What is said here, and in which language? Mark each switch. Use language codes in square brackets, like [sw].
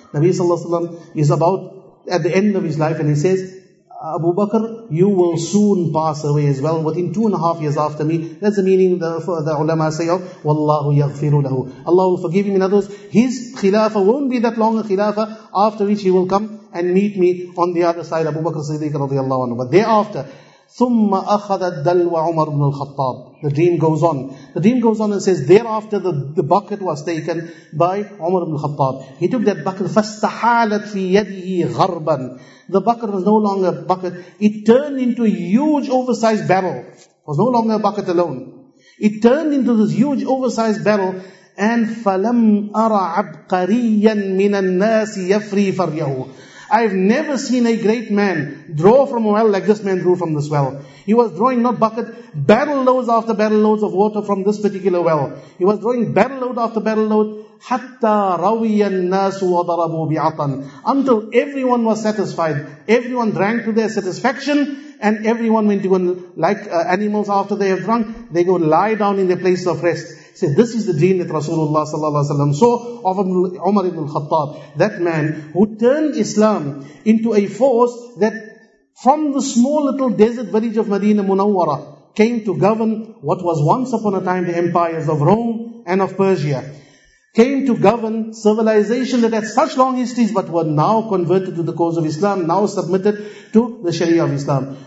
[en] Nabi sallallahu alayhi wa sallam is about at the end of his life and he says, Abu Bakr, you will soon pass away as well within 2.5 years after me. That's the meaning the ulama say of [ar] Wallahu yaghfiru lahu. [en] Allah will forgive him. In other words, his khilafah won't be that long a khilafah, after which he will come and meet me on the other side, Abu Bakr Siddiq radiallahu anhu. But thereafter, [ar] ثُمَّ أَخَذَ الدَّلْوَ عُمَرُ بْنُ الْخَطَّابِ. [en] The dream goes on. The dream goes on and says, thereafter the bucket was taken by Umar ibn al-Khattab. He took that bucket, [ar] فَاسْتَحَالَتْ فِي يَدِهِ غَرْبًا. [en] The bucket was no longer a bucket. It turned into a huge oversized barrel. It was no longer a bucket alone. It turned into this huge oversized barrel. [ar] And فَلَمْ أَرَ عَبْقَرِيًّا مِنَ النَّاسِ يَفْرِي فَرْيَهُ. [en] I've never seen a great man draw from a well like this man drew from this well. He was drawing not bucket, barrel loads after barrel loads of water from this particular well. He was drawing barrel load after barrel load. [ar] حَتَّى رَوِيَ النَّاسُ وَضَرَبُوا بِعَطًا. [en] Until everyone was satisfied. Everyone drank to their satisfaction and everyone went to go like animals after they have drunk. They go lie down in their places of rest. See, this is the dream that Rasulullah sallallahu alaihi wasallam saw of Umar ibn al-Khattab, that man who turned Islam into a force that from the small little desert village of Medina Munawwara came to govern what was once upon a time the empires of Rome and of Persia, came to govern civilization that had such long histories but were now converted to the cause of Islam, now submitted to the Sharia of Islam.